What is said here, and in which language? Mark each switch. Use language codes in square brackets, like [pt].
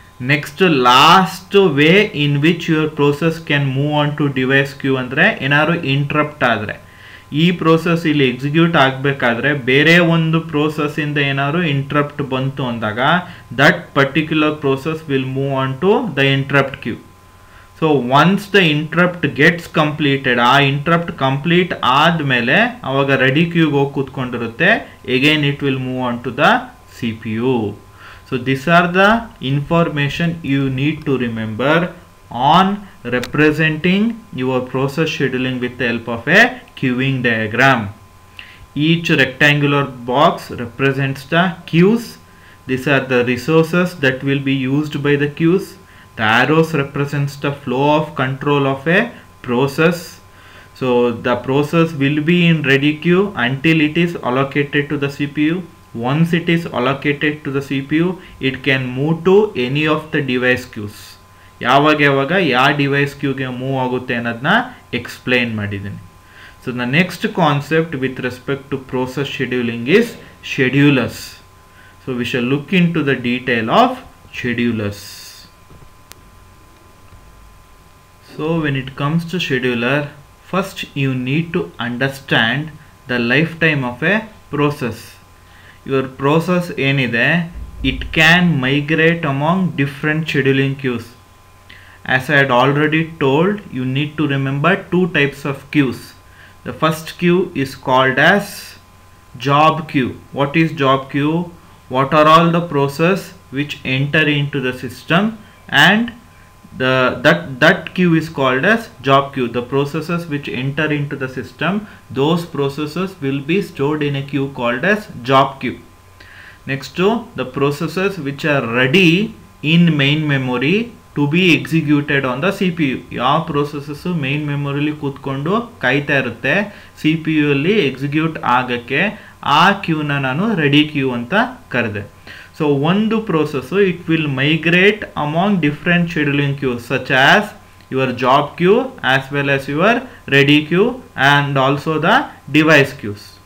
[en] next last way in which your process can move on to device queue [kn] ಅಂದರೆ, ಏನಾದರೂ interrupt ಆದರೆ, ಈ process ಇಲ್ಲಿ ಎಕ್ಸಿಕ್ಯೂಟ್ ಆಗಬೇಕಾದ್ರೆ ಬೇರೆ ಒಂದು ಪ್ರೋಸೆಸ್ಸಿಂದ ಏನಾದರೂ ಇಂಟ್ರಪ್ಟ್ ಬಂತು ಅಂದಾಗ [en] That particular process will move on to the interrupt queue. So once the interrupt gets completed, [kn] ಆ interrupt complete ಆದ್ಮೇಲೆ ಅವಾಗ ready queue ಹೋಗಿ ಕೂತ್ಕೊಂಡಿರುತ್ತೆ, [en] again it will move on to the CPU. So these are the information you need to remember on representing your process scheduling with the help of a queuing diagram. Each rectangular box represents the queues. These are the resources that will be used by the queues. The arrows represents the flow of control of a process. So the process will be in ready queue until it is allocated to the CPU. Once it is allocated to the CPU, it can move to any of the device queues. [kn] ಯಾವಾಗ ಯಾವಾಗ ಯಾವ device ಕ್ಯೂಗೆ move ಆಗುತ್ತೆ ಅನ್ನೋದನ್ನ explain ಮಾಡಿದ್ದೀನಿ. [en] So the next concept with respect to process scheduling is schedulers. So we shall look into the detail of schedulers. So when it comes to scheduler, first you need to understand the life time of a process. Your process [kn] ಏನಿದೆ, [en] It can migrate among different scheduling queues. As I had already told, you need to remember two types of queues. The first queue is called as job queue. What is job queue? What are all the processes which enter into the system? And that queue is called as job queue. The processes which enter into the system, those processes will be stored in a queue called as job queue. Next to the processes which are ready in main memory to be executed on the CPU. [kn] ಯಾವ processes main ಮೆಮೊರಿಲಿ ಕೂತ್ಕೊಂಡು ಕಾಯ್ತಾ ಇರುತ್ತೆ CPU ಅಲ್ಲಿ execute ಆಗಕ್ಕೆ, ಆ ಕ್ಯೂನ ನಾನು ready Q ಅಂತ ಕರೆದೆ. [en] so [kn] ಒಂದು process [en] It will migrate among different scheduling queue such as your job queue as well as your ready queue and also the device queues.